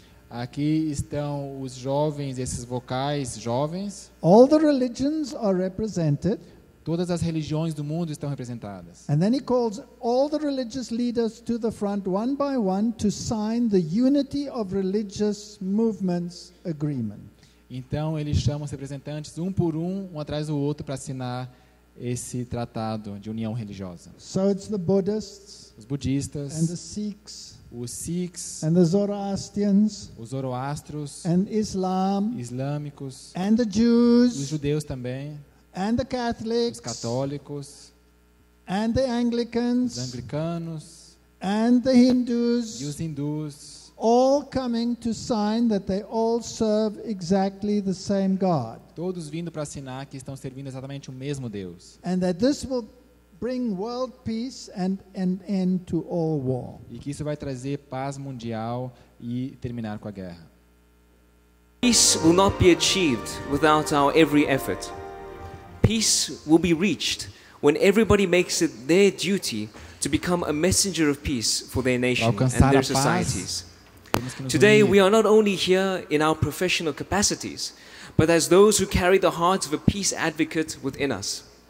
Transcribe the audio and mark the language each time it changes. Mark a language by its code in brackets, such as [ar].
[pt] Aqui estão os jovens, esses vocais jovens. [en] All the religions are represented. [pt] Todas as religiões do mundo estão representadas. [en] And then he calls all the religious leaders to the front one by one to sign the Unity of Religious Movements Agreement. [pt] Então ele chama os representantes um por um atrás do outro, para assinar esse tratado de união religiosa. [en] So it's the Buddhists, [pt] os budistas, [en] and the Sikhs, [pt] os Sikhs, [en] and the Zoroastrians, [pt] os Zoroastros, [en] and Islam, [pt] islâmicos, [en] and the Jews, [pt] os judeus também, [en] and the Catholics, [pt] os católicos, [en] and the Anglicans, [pt] os anglicanos, [en] and the Hindus, [pt] e os hindus, [en] all coming to sign that they all serve exactly the same God. [pt] Todos vindo para assinar que estão servindo exatamente o mesmo Deus. [en] And that this will bring world peace and an end to all war. [pt] E que isso vai trazer paz mundial e terminar com a guerra. [en] Peace will not be achieved without our every effort. Peace will be reached when everybody makes it their duty to become a messenger of peace for their nation and their societies. Today we are not only here in our professional capacities, but as those who carry the heart of a peace advocate within us.